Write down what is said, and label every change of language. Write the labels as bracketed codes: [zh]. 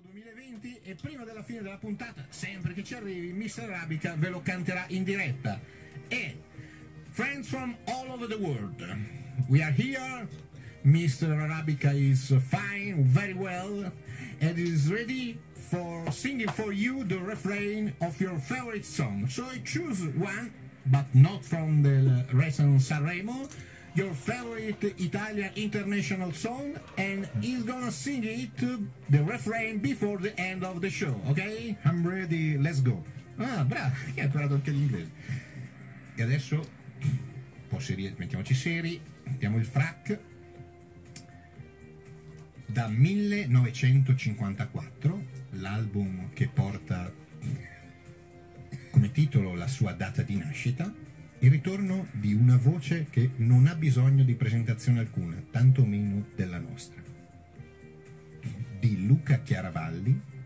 [it] 20 e prima della fine della puntata, sempre che ci arrivi, Mr. Arabica ve lo canterà in diretta. [en] E friends from all over the world, we are here. Mr. Arabica is fine, very well, and is ready for singing for you the refrain of your favorite song. So I choose one, but not from the recent Sanremo, your favorite Italian international song, and he's gonna sing it, the refrain, before the end of the show, okay? I'm ready, let's go. [it] Ah, bravo, che ha imparato anche l'inglese. E adesso, un po' seri, mettiamoci seri, mettiamo il frac. Da 1954, l'album che porta come titolo la sua data di nascita, il ritorno di una voce che non ha bisogno di presentazione alcuna, tanto meno della nostra, di Luca Chiaravalli,